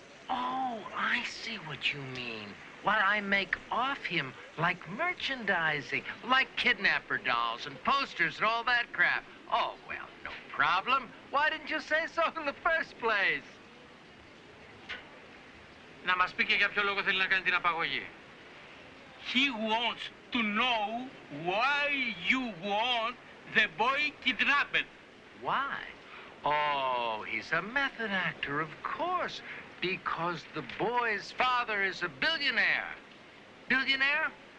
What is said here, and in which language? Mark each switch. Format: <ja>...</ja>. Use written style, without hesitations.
<en>Oh, I see what you mean. What I make off him, like merchandising, like kidnapper dolls and posters and all that crap. Oh, well, no problem. Why didn't you say so in the first place?</en> <el>Να μας πει και για ποιο λόγο θέλει να κάνει την απαγωγή.</el> <en>He wants to know why you want the boy kidnapped. Why? Oh, he's a method actor, of course. Because the boy's father is a billionaire. Billionaire?</en>